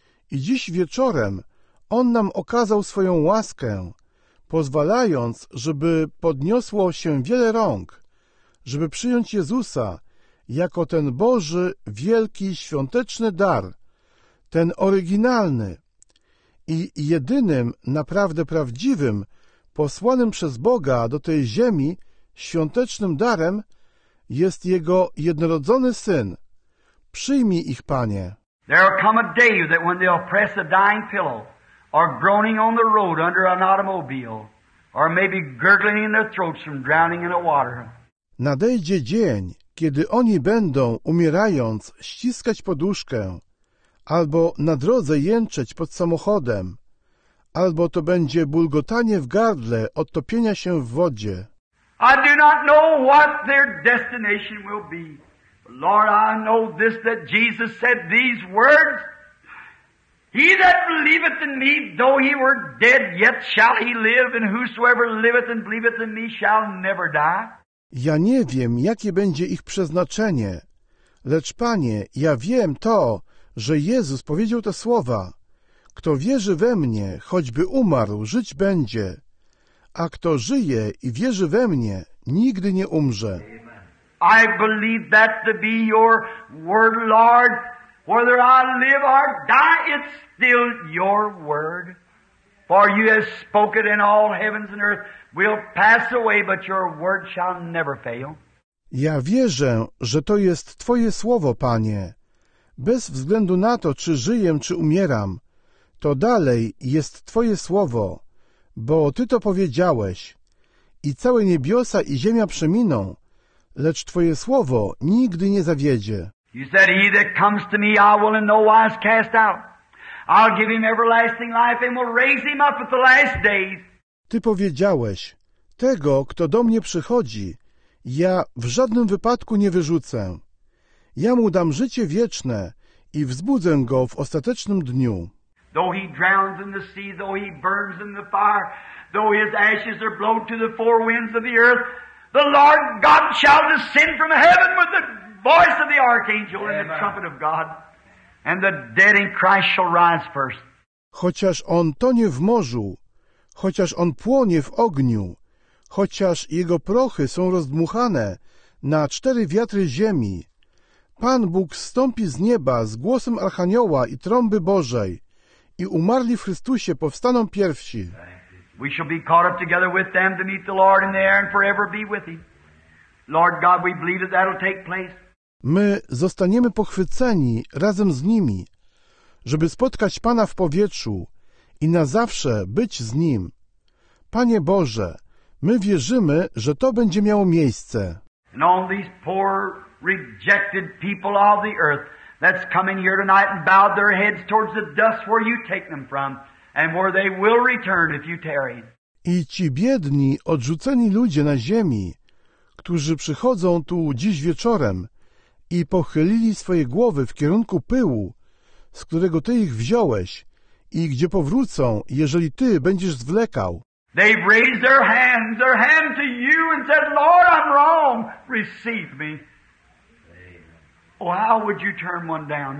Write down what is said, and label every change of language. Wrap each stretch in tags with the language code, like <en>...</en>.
<pl>I dziś wieczorem On nam okazał swoją łaskę, pozwalając, żeby podniosło się wiele rąk, żeby przyjąć Jezusa jako ten Boży, wielki, świąteczny dar, ten oryginalny i jedynym, naprawdę prawdziwym, posłanym przez Boga do tej ziemi świątecznym darem jest Jego jednorodzony Syn. Przyjmij ich, Panie.</pl> <en>There will come a day that when they'll press a dying pillow or groaning on the road under an automobile or maybe gurgling in their throats from drowning in a water.</en> <pl>Nadejdzie dzień, kiedy oni będą, umierając, ściskać poduszkę albo na drodze jęczeć pod samochodem, albo to będzie bulgotanie w gardle od topienia się w wodzie.</pl> <en>I do not know what their destination will be. But Lord, I know this, that Jesus said these words. He that believeth in me, though he were dead, yet shall he live, and whosoever liveth and believeth in me shall never die.</en> <pl>Ja nie wiem, jakie będzie ich przeznaczenie, lecz Panie, ja wiem to, że Jezus powiedział te słowa. Kto wierzy we mnie, choćby umarł, żyć będzie. A kto żyje i wierzy we mnie, nigdy nie umrze.</pl> <en>I believe that to be your word, Lord. Whether I live or die, it's still your word. For you have spoken and all heavens and earth will pass away, but your word shall never fail.</en> <pl>Ja wierzę, że to jest Twoje słowo, Panie. Bez względu na to, czy żyję, czy umieram, to dalej jest Twoje słowo, bo Ty to powiedziałeś. I całe niebiosa i ziemia przeminą, lecz Twoje słowo nigdy nie zawiedzie.</pl> <en>You said, he that comes to me, I will in no wise cast out. I'll give him everlasting life and will raise him up at the last days.</en> <pl>Ty powiedziałeś, tego, kto do mnie przychodzi, ja w żadnym wypadku nie wyrzucę. Ja mu dam życie wieczne i wzbudzę go w ostatecznym dniu.</pl> <en>though he drowns in the sea, though he burns in the fire, though his ashes are blown to the four winds of the earth, the Lord God shall descend from heaven with the voice of the archangel and the trumpet of God, and the dead in Christ shall rise first.</en> <pl>Chociaż on tonie w morzu, chociaż on płonie w ogniu, chociaż jego prochy są rozdmuchane na cztery wiatry ziemi, Pan Bóg zstąpi z nieba z głosem Archanioła i trąby Bożej i umarli w Chrystusie powstaną pierwsi.</pl> <en>We shall be caught up together with them to meet the Lord in the air and forever be with Him. Lord God, we believe that that'll take place.</en> <pl>My zostaniemy pochwyceni razem z nimi, żeby spotkać Pana w powietrzu i na zawsze być z Nim. Panie Boże, my wierzymy, że to będzie miało miejsce.</pl> <en>And on these poor, rejected people of the earth that's coming here tonight and bowed their heads towards the dust where you take them from, and where they will return if you tarry.</en> <pl>I ci biedni, odrzuceni ludzie na ziemi, którzy przychodzą tu dziś wieczorem i pochylili swoje głowy w kierunku pyłu, z którego Ty ich wziąłeś, i gdzie powrócą, jeżeli Ty będziesz zwlekał.</pl> <en>They've raised their hand to you and said, Lord, I'm wrong, receive me. Oh, how would you turn one down?</en>